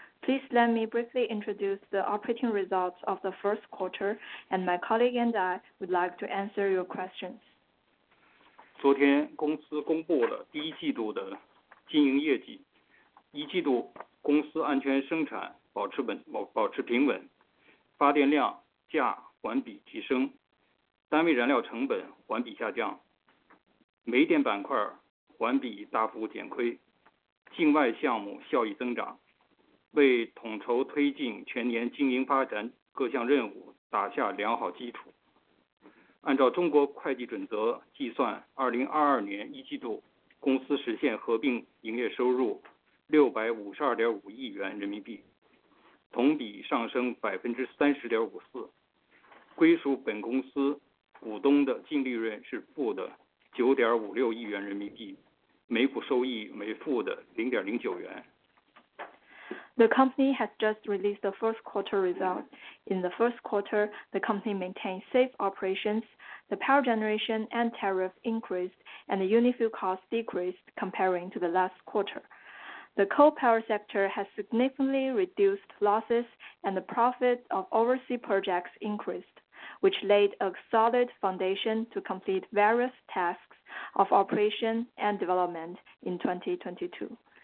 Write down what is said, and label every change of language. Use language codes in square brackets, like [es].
[en] Please let me briefly introduce the operating results of the first quarter, and my colleague and I would like to answer your questions. [zh] 昨天公司公布了第一季度的经营业绩，一季度公司安全生产保持平稳，发电量价环比提升，单位燃料成本环比下降，煤电板块环比大幅减亏，境外项目效益增长，为统筹推进全年经营发展各项任务打下良好基础。按照中国会计准则计算，2022年一季度公司实现合并营业收入652.5亿元人民币，同比上升30.54%。归属本公司股东的净利润是负的9.56亿元人民币，每股收益为负的0.09元。 [en] The company has just released the first quarter results. In the first quarter, the company maintained safe operations. The power generation and tariff increased, and the unit fuel cost decreased comparing to the last quarter. The coal power sector has significantly reduced losses, and the profit of overseas projects increased, which laid a solid foundation to complete various tasks of operation and development in 2022.